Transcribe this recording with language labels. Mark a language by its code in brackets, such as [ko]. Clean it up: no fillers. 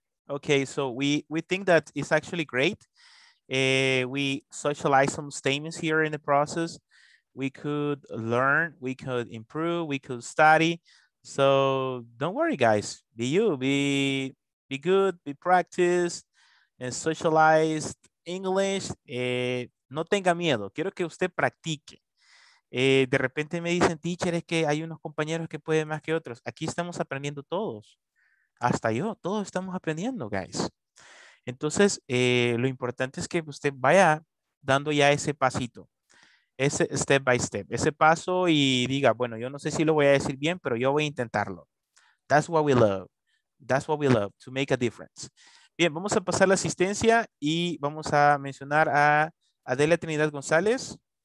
[en] Okay, so we think that it's actually great. We socialize some statements here in the process. We could learn, we could improve, we could study. So don't worry, guys. Be you, be good, be practiced, and socialized English. [es] No tenga miedo. Quiero que usted practique. De repente me dicen, teacher, es que hay unos compañeros que pueden más que otros. Aquí estamos aprendiendo todos. Hasta yo, todos estamos aprendiendo, guys. Entonces, lo importante es que usted vaya dando ya ese pasito, ese [en] step by step, [es] ese paso y diga, bueno, yo no sé si lo voy a decir bien, pero yo voy a intentarlo. [en] That's what we love. That's what we love, to make a difference. [es] Bien, vamos a pasar la asistencia y vamos a mencionar a Adela Trinidad González.